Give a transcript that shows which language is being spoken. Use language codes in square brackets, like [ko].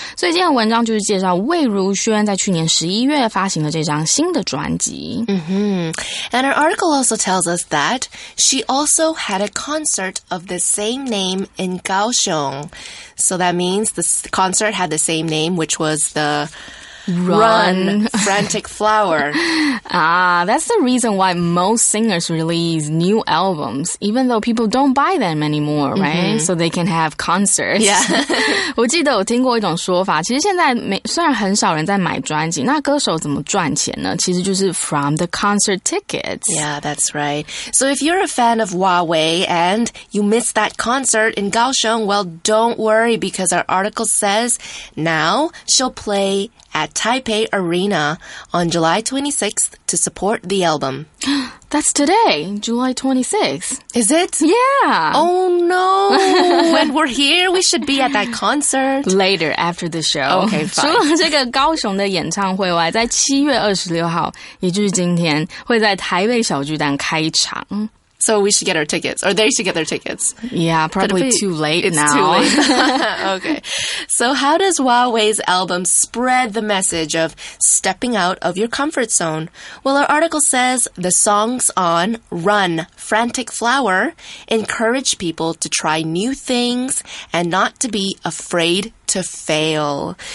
[zh] 所以今天文章就是介绍魏如萱在去年11月发行了这张新的专辑。 Mm-hmm. [en] And her article also tells us that she also had a concert of the same name in Kaohsiung. So that means the concert had the same name, which was the Run Frantic Flower. Ah, that's the reason why most singers release new albums, even though people don't buy them anymore, right?、 Mm-hmm. So they can have concerts. Yeah. [zh] 我记得我听过一种说法，其实现在虽然很少人在买专辑，那歌手怎么赚钱呢？其实就是 [en] from the concert tickets. Yeah, that's right. So if you're a fan of Huawei and you missed that concert in Kaohsiung, well, don't worry because our article says now she'll play at Taipei Arena on July 26th to support the album. That's today, July 26th. Is it? Yeah. Oh, no. When we're here, we should be at that concert. Later, after the show. Okay, fine. [zh] 除了这个高雄的演唱会外，在7月26号，也就是今天，会在台北小巨蛋开场。 [en] So we should get our tickets, or they should get their tickets. Yeah, probably too late now. It's too late. Okay. So how does Huawei's album spread the message of stepping out of your comfort zone? Well, our article says the songs on Run, Frantic Flower encourage people to try new things and not to be afraid to fail.